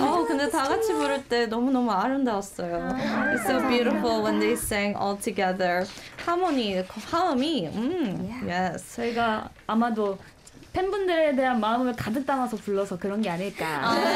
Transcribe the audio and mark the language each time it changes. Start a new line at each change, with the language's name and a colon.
Korean: 어, 근데 다 같이 부를 때 너무너무 아름다웠어요.
English: It's so beautiful when they sang all together.
Korean: 하모니, 화음이 yes. 저희가 아마도 팬분들에 대한 마음을 가득 담아서 불러서 그런 게 아닐까.